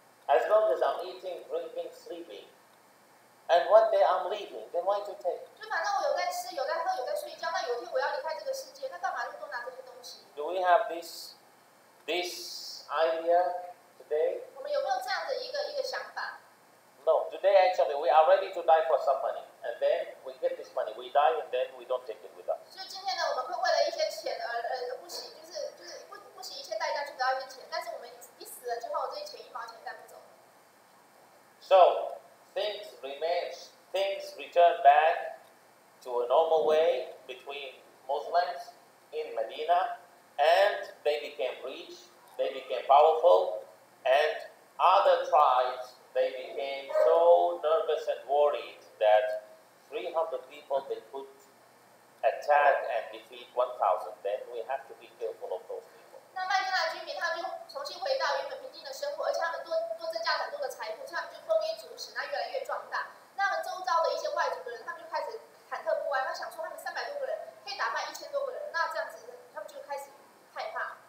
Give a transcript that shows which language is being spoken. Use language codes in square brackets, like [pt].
[en] As long as I'm eating, drinking, sleeping, and one day I'm leaving, then why to take? [zh] 就反正我有在吃，有在喝，有在睡觉。那有一天我要离开这个世界，那干嘛就多拿这些东西？ [en] Do we have this idea today? [zh] 我们有没有这样的一个想法？ [en] No. Today, actually, we are ready to die for some money, and then we get this money, we die and then we don't take it with us. [zh] 所以今天呢，我们会为了一些钱而不惜，就是不惜一切代价去得到一些钱，但是我们一死了之后，这些钱一毛钱带不走。 [en] So things remains, things return back to a normal way between Muslims in Medina, and they became rich, they became powerful, and other tribes. They became so nervous and worried that 300 people they could attack and defeat 1,000. Then we have to be careful of those people. [zh] 那麦地那居民他们就重新回到原本平静的生活，而且他们多增加很多的财富，他们就丰衣足食，那越来越壮大。那么周遭的一些外族的人，他们就开始忐忑不安，他想说他们300多个人可以打败1,000多个人，那这样子他们就开始害怕。